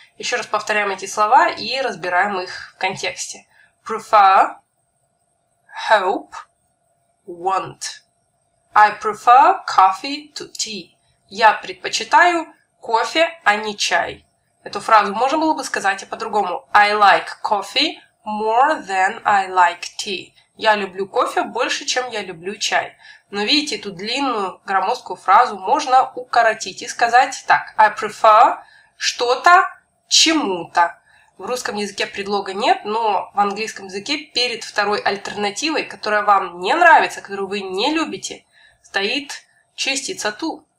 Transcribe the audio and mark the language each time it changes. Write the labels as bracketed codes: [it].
[ru] Еще раз повторяем эти слова и разбираем их в контексте. [en] Prefer, hope, want. I prefer coffee to tea. [ru] Я предпочитаю кофе, а не чай. Эту фразу можно было бы сказать и по-другому. [en] I like coffee more than I like tea. [ru] Я люблю кофе больше, чем я люблю чай. Но видите, эту длинную громоздкую фразу можно укоротить и сказать так. [en] I prefer [ru] что-то чему-то. В русском языке предлога нет, но в английском языке перед второй альтернативой, которая вам не нравится, которую вы не любите, стоит частица to.